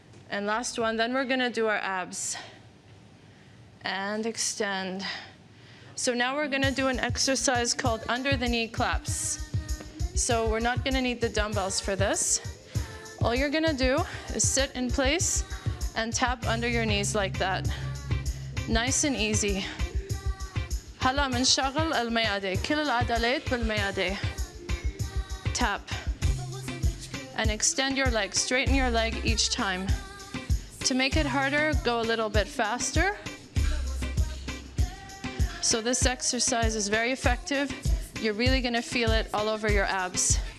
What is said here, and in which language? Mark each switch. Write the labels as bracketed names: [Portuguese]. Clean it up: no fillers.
[English] And last one, then we're gonna do our abs. And extend. So now we're gonna do an exercise called under the knee claps. So we're not gonna need the dumbbells for this. All you're gonna do is sit in place and tap under your knees like that. Nice and easy. [Arabic] هلا منشغل المعدة كل العضلات بالمعدة. [English] Tap and extend your leg, straighten your leg each time. To make it harder, go a little bit faster. So this exercise is very effective. You're really gonna feel it all over your abs.